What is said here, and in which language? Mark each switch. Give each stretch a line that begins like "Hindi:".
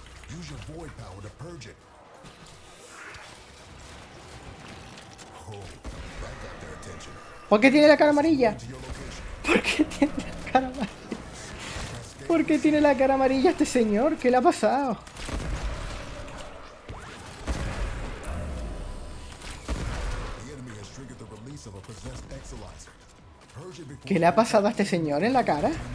English: Use your void power to purge it. Oh, that got their attention.
Spanish: ¿Por qué tiene la cara amarilla? ¿Por qué tiene la cara amarilla? ¿Por qué tiene la cara amarilla este señor? ¿Qué le ha pasado?
English: The enemy has triggered the release of a possessed exilizer. Purge it before.
Spanish: ¿Qué le ha pasado a este señor en la cara?